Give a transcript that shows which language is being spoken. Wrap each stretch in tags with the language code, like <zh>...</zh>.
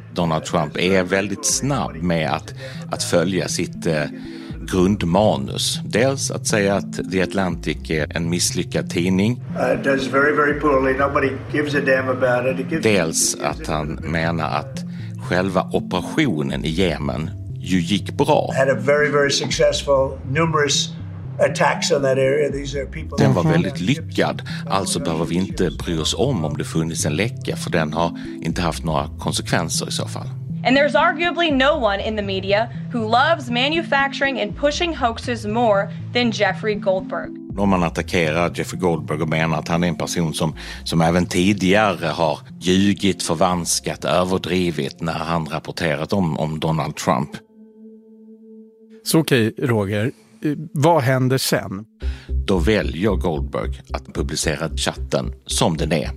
<sv>Donald Trump är väldigt snabb med att följa sitt grundmanus. Dels att säga att The Atlantic är en misslyckad tidning.</sv> <en>Does very very poorly. Nobody gives a damn about it.</en> <sv>Dels att han menar att själva operationen i Yemen ju gick bra.</sv> <en>Had a very very successful numerous attacks on that area. These are people.</en> <sv>Den var väldigt lyckad. Alltså behöver vi inte bry oss om det funnits en läcka, för den har inte haft några konsekvenser i så fall.</sv> <en>And there's arguably no one in the media who loves manufacturing and pushing hoaxes more than Jeffrey Goldberg.</en> <sv>Om man attackerar Jeffrey Goldberg och menar att han är en person som även tidigare har ljugit, förvanskat, överdrivit när han rapporterat om Donald Trump. Så okej, Roger. Vad händer sen? Då väljer Goldberg att publicera chatten som den är.</sv>